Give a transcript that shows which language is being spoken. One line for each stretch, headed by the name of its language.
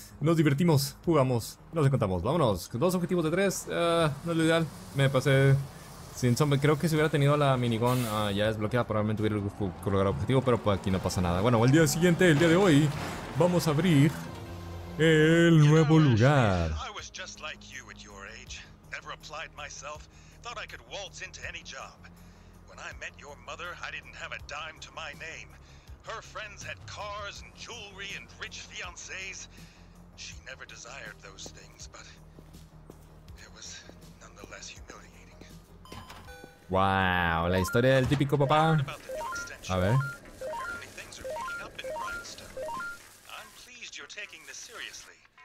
Spanish: Nos divertimos, jugamos, nos encontramos. Vámonos, 2 objetivos de 3. No es lo ideal, me pasé sin zombie. Creo que si hubiera tenido la minigun ya desbloqueada, probablemente hubiera colgado el objetivo. Pero pues aquí no pasa nada. Bueno, el día siguiente, el día de hoy, vamos a abrir el nuevo lugar.
English: Just like you at your age, never applied myself, thought I could waltz into any job. When I met your mother, I didn't have a dime to my name. Her friends had cars and jewelry and rich fiancés. She never desired those things, but it was nonetheless humiliating.
Spanish: Wow, la historia del típico papá. A ver.
English: Things are picking up in Grindstone. I'm pleased you're taking this seriously.